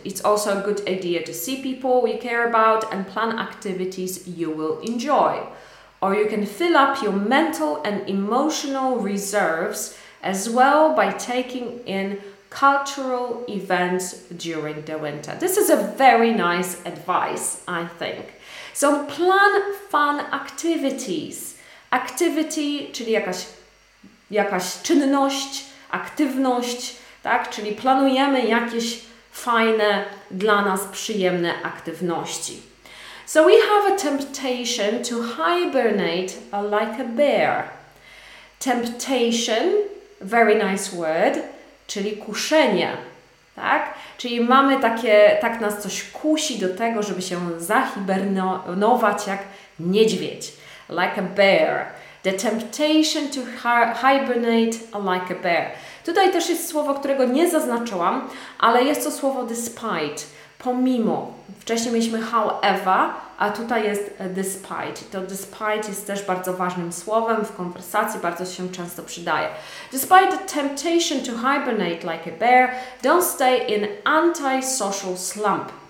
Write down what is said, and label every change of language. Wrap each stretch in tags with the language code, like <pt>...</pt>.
<en>It's also a good idea to see people you care about and plan activities you will enjoy. Or you can fill up your mental and emotional reserves as well by taking in cultural events during the winter. This is a very nice advice, I think. So plan fun activities.</en> <pl>Activity, czyli jakaś czynność, aktywność, tak? Czyli planujemy jakieś fajne, dla nas przyjemne aktywności.</pl> <en>So we have a temptation to hibernate like a bear. Temptation, very nice word,</en> <pl>czyli kuszenie, tak? Czyli mamy takie, tak nas coś kusi do tego, żeby się zahibernować jak niedźwiedź.</pl> <en>Like a bear. The temptation to hibernate like a bear.</en> <pl>Tutaj też jest słowo, którego nie zaznaczyłam, ale jest to słowo despite, pomimo. Wcześniej mieliśmy however, a tutaj jest despite. To despite jest też bardzo ważnym słowem w konwersacji, bardzo się często przydaje.</pl> <en>Despite the temptation to hibernate like a bear, don't stay in antisocial slump.</en>